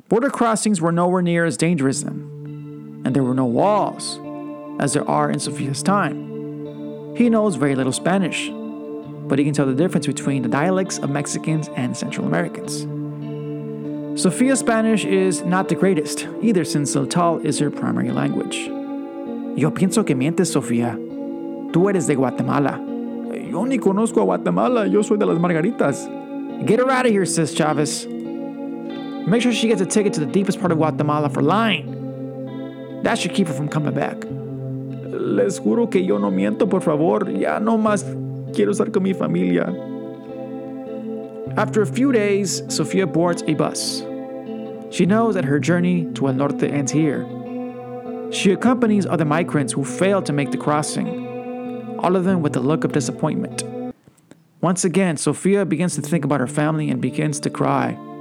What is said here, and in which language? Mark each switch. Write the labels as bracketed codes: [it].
[en] Border crossings were nowhere near as dangerous then, and there were no walls, as there are in Sophia's time. He knows very little Spanish, but he can tell the difference between the dialects of Mexicans and Central Americans. Sophia's Spanish is not the greatest, either, since El Tal is her primary language. [es] Yo pienso que mientes, Sofía. Tú eres de Guatemala. Yo ni conozco a Guatemala. Yo soy de las Margaritas. [en] Get her out of here, Sis Chavez. Make sure she gets a ticket to the deepest part of Guatemala for lying. That should keep her from coming back. [es] Les juro que yo no miento, por favor. Ya no más quiero estar con mi familia. [en] After a few days, Sofia boards a bus. She knows that her journey to El Norte ends here. She accompanies other migrants who fail to make the crossing, all of them with a look of disappointment. Once again, Sofia begins to think about her family and begins to cry.